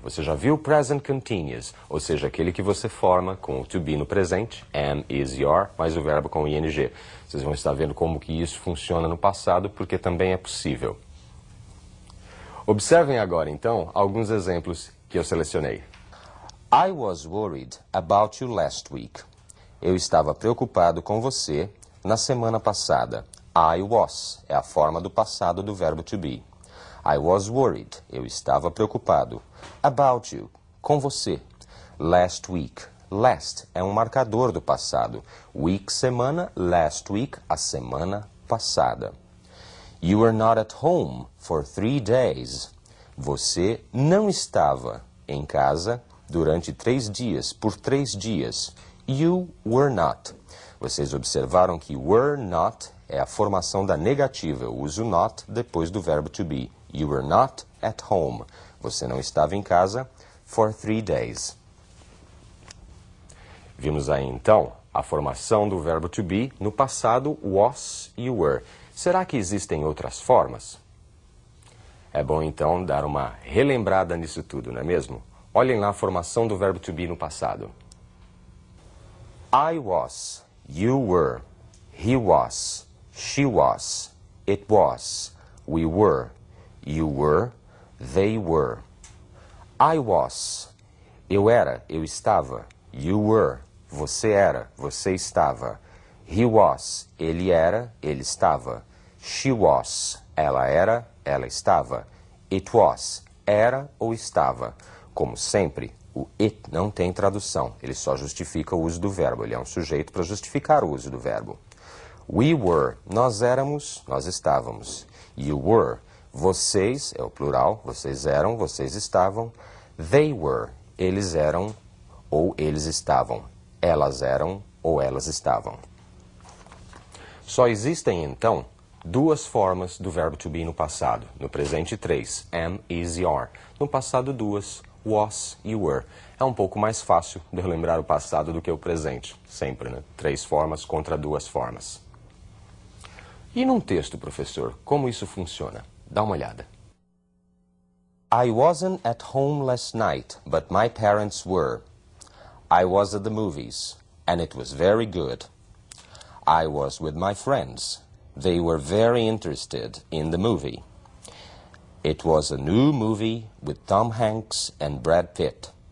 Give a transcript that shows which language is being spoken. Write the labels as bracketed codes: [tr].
[pt] Você já viu o present continuous, ou seja, aquele que você forma com o to be no presente, am, is, your, mais o verbo com o ing. Vocês vão estar vendo como que isso funciona no passado, porque também é possível. Observem agora, então, alguns exemplos que eu selecionei. [en] I was worried about you last week. [pt] Eu estava preocupado com você na semana passada. I was é a forma do passado do verbo to be. [en] I was worried. [pt] Eu estava preocupado. [en] About you. [pt] Com você. [en] Last week. [pt] Last é um marcador do passado. Week, semana. [en] Last week, [pt] a semana passada. [en] You were not at home for 3 days. [pt] Você não estava em casa durante 3 dias, por 3 dias. [en] You were not. [pt] Vocês observaram que were not é a formação da negativa. Eu uso not depois do verbo to be. [en] You were not at home. [pt] Você não estava em casa [en] for 3 days. [pt] Vimos aí então a formação do verbo to be no passado was e were. Será que existem outras formas? É bom então dar uma relembrada nisso tudo, não é mesmo? Olhem lá a formação do verbo to be no passado. [en] I was, you were, he was, she was, it was, we were, you were, they were. I was, [pt] eu era, eu estava, [en] you were, [pt] você era, você estava. [en] He was, [pt] ele era, ele estava. [en] She was, [pt] ela era, ela estava. [en] It was, [pt] era ou estava. Como sempre, o it não tem tradução, ele só justifica o uso do verbo, ele é um sujeito para justificar o uso do verbo. [en] We were, [pt] nós éramos, nós estávamos. [en] You were, [pt] vocês, é o plural, vocês eram, vocês estavam. [en] They were, [pt] eles eram ou eles estavam. Elas eram ou elas estavam. Só existem então duas formas do verbo to be no passado. No presente, três. Am, is, your. No passado, duas. Was e were. É um pouco mais fácil de relembrar o passado do que o presente. Sempre, né? Três formas contra duas formas. E num texto, professor, como isso funciona? Dá uma olhada. [en] I wasn't at home last night, but my parents were. I was at the movies, and it was very good. I was with my friends. They were very interested in the movie. It was a new movie with Tom Hanks and Brad Pitt.